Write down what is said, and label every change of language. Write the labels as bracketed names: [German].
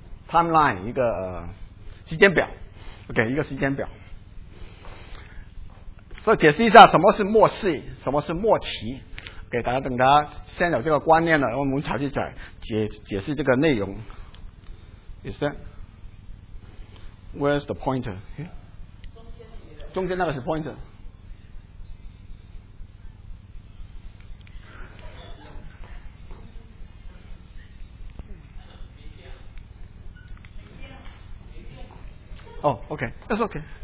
[Chinese] timeline 一个、时间表 ，OK 一个时间表。所以解释一下什么是末世，什么是末期。OK， 大家等大家先有这个观念了，我们才去讲解释这个内容。 [English] Is that where's the pointer？、Yeah? [Chinese] 中间那个是 pointer。 [English] Oh, okay. That's okay.